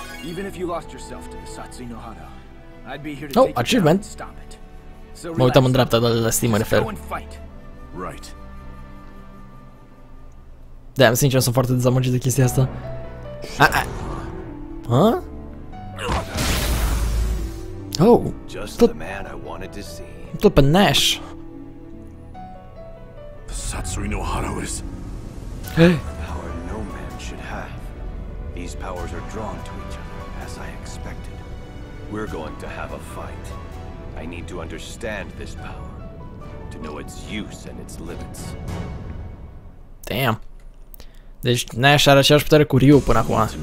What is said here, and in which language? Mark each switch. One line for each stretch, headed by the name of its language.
English: Even if you lost yourself to the Satsuno Hado, I'd be here to take you and stop it. So relax.
Romanian: Mă uitam în dreapta, dar la Steam mă refer.
English: Right.
Romanian: Da, sincer, sunt foarte dezamăgit de chestia asta. Ha? Oh,
English: just the man I wanted to see.
Romanian: Tot pe Nash.
English: Satsurino Haro is. Hey. The power no man should have. These powers are drawn to each other, as I expected. We're going to have a fight. I need to understand this power, to know its use and its limits. Damn.
Romanian: Deci Nash are aceeași putere cu Ryu până acum.